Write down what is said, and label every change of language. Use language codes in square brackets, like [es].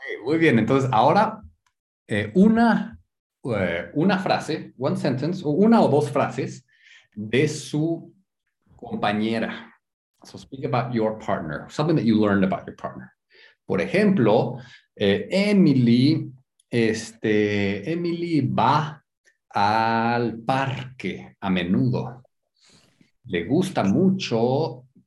[es] Muy bien, entonces ahora una frase, [en] one sentence, [es] o una o dos frases de su compañera. [en] So speak about your partner, something that you learned about your partner. [es] Por ejemplo, Emily va al parque a menudo. Le gusta mucho